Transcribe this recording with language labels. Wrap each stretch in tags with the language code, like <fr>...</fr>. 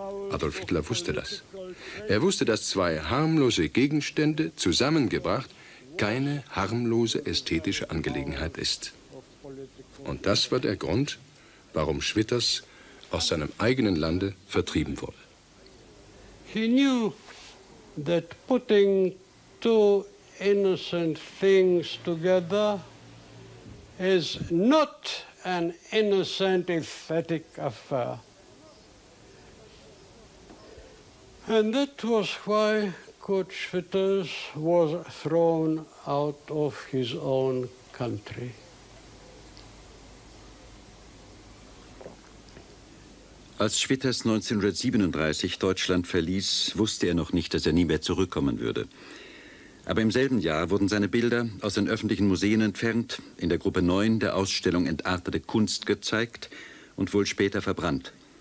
<de>Adolf Hitler wusste das. Er wusste, dass zwei harmlose Gegenstände zusammengebracht keine harmlose ästhetische Angelegenheit ist. Und das war der Grund, warum Schwitters aus seinem eigenen Lande vertrieben wurde.</de> <en>He knew that putting two innocent things together is not an innocent aesthetic affair. And that was why Kurt Schwitters was thrown out of his own country.</en> <de>Als Schwitters 1937 Deutschland verließ, wusste er noch nicht, dass er nie mehr zurückkommen würde. Aber im selben Jahr wurden seine Bilder aus den öffentlichen Museen entfernt, in der Gruppe 9 der Ausstellung Entartete Kunst gezeigt und wohl später verbrannt.</de>